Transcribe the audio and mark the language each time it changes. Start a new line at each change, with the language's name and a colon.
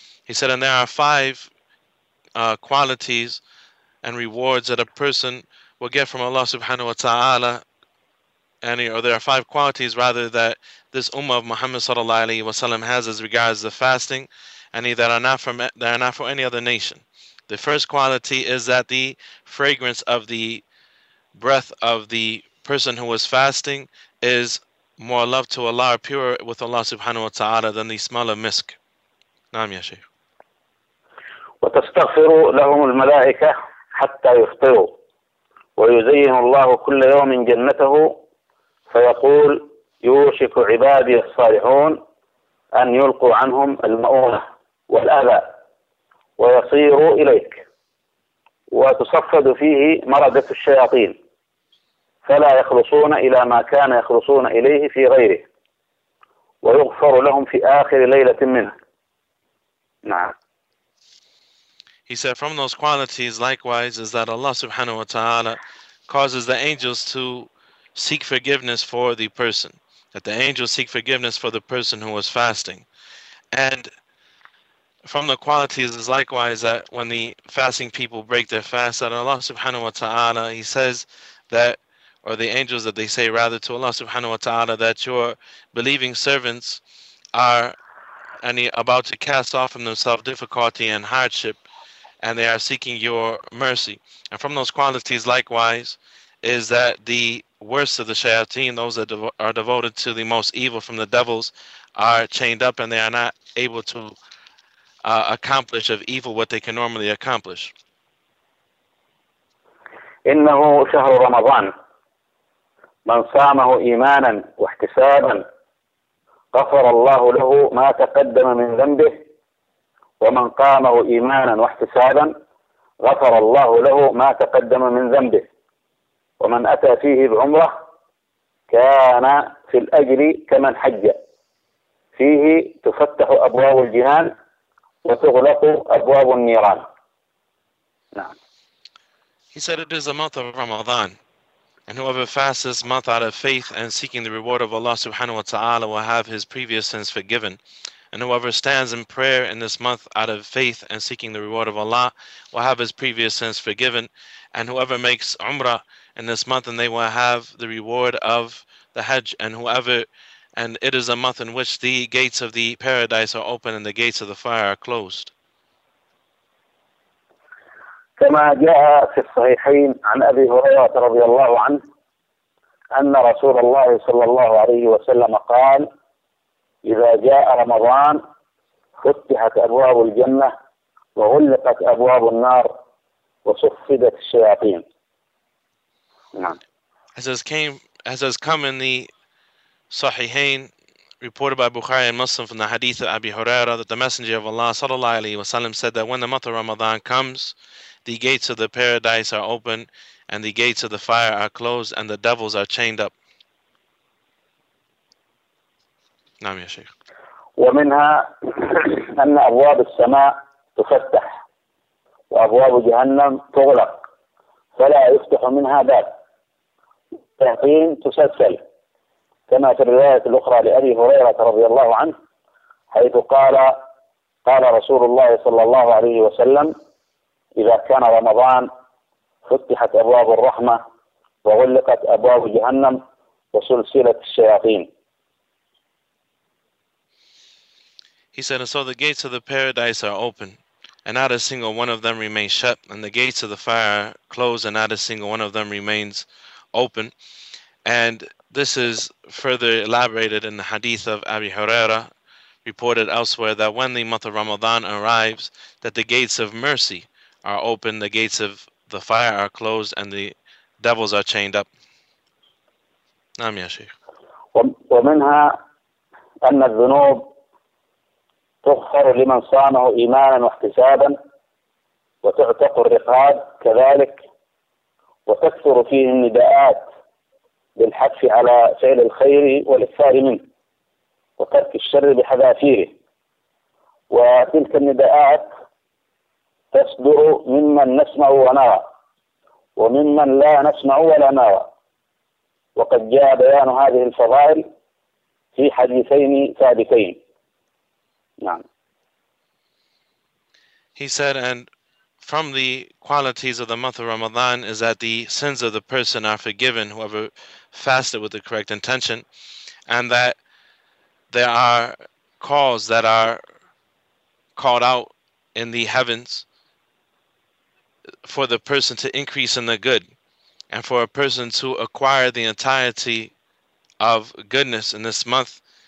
English: He said, and there are five qualities and rewards that a person will get from Allah
Arabic: subhanahu wa ta'ala,
English: or there are five qualities rather that this ummah of Muhammad
Arabic: sallallahu alayhi wa sallam
English: has as regards the fasting, and that are not for any other nation. The first quality is that the fragrance of the breath of the person who is fasting is more loved to Allah, purer with Allah
Arabic: subhanahu wa ta'ala,
English: than the smell of misk.
Arabic: Naam ya Shaykh. وتستغفر لهم الملائكة حتى يفطروا ويزين الله كل يوم جنته فيقول يوشك عبادي الصالحون أن يلقوا عنهم المؤونة والأذى ويصيروا إليك وتصفد فيه مردة الشياطين فلا يخلصون إلى ما كان يخلصون إليه في غيره ويغفر لهم في آخر ليلة منه. نعم.
English: He said, from those qualities, likewise, is that Allah
Arabic: subhanahu wa ta'ala
English: causes the angels to seek forgiveness for the person, that the angels seek forgiveness for the person who was fasting. And from the qualities is likewise that when the fasting people break their fast, that Allah
Arabic: subhanahu wa ta'ala,
English: He says that, or the angels that they say rather to Allah subhanahu wa ta'ala, that your believing servants are about to cast off from themselves difficulty and hardship, and they are seeking your mercy. And from those qualities, likewise, is that the worst of the shayateen, those that are devoted to the most evil from the devils, are chained up and they are not able to accomplish of evil what they can normally accomplish.
Arabic: إنه شهر رمضان من صامه إيمانا واحتسابا غفر الله له ما تقدم من ذنبه ومن قامه إيمانا واحتسابا غفر الله له ما تقدم من ذنبه ومن أتى فيه بعمرة كان في الأجر كمن حج فيه تفتح أبواب الجنان وتغلق أبواب النيران. نعم.
English: He said it is the month of Ramadan, and whoever fasts this month out of faith and seeking the reward of Allah
Arabic: subhanahu wa ta'ala
English: will have his previous sins forgiven. And whoever stands in prayer in this month out of faith and seeking the reward of Allah will have his previous sins forgiven. And whoever makes Umrah in this month, and they will have the reward of the Hajj. And it is a month in which the gates of the paradise are open and the gates of the fire are closed.
Arabic: كما جاء في الصحيحين عن أبي هريرة رضي الله عنه أن رسول الله صلى الله عليه وسلم قال إذا جاء رمضان فتحت أبواب الجنة وغلقت أبواب النار وصفدت الشياطين.
English: As has come in the Sahihain, reported by Bukhari and Muslim from the hadith of Abi Huraira, that the Messenger of Allah
Arabic: sallallahu alaihi wasallam
English: said that when the month of Ramadan comes, the gates of the paradise are open and the gates of the fire are closed and the devils are chained up.
Arabic: نعم يا شيخ. ومنها أن أبواب السماء تفتح وأبواب جهنم تغلق فلا يفتح منها باب تعطين تسلسل كما في الرواية الأخرى لأبي هريرة رضي الله عنه حيث قال رسول الله صلى الله عليه وسلم إذا كان رمضان فتحت أبواب الرحمة وغلقت أبواب جهنم وسلسلة الشياطين.
English: He said, and so the gates of the paradise are open, and not a single one of them remains shut, and the gates of the fire are closed, and not a single one of them remains open. And This is further elaborated in the hadith of Abi Huraira, reported elsewhere, that when the month of Ramadan arrives, that the gates of mercy are open, the gates of the fire are closed, and the devils are chained up. Naam ya Shaykh.
Arabic: ومنها أن الذنوب تغفر لمن صامه إيمانا واحتسابا وتعتق الرقاب كذلك وتكثر فيه النداءات بالحث على فعل الخير والإكثار منه وترك الشر بحذافيره وتلك النداءات تصدر ممن نسمع ونرى وممن لا نسمع ولا نرى وقد جاء بيان هذه الفضائل في حديثين سابقين. نعم.
English: He said, and from the qualities of the month of Ramadan is that the sins of the person are forgiven, whoever fasted with the correct intention, and that there are calls that are called out in the heavens for the person to increase in the good, and for a person to acquire the entirety of goodness in this month.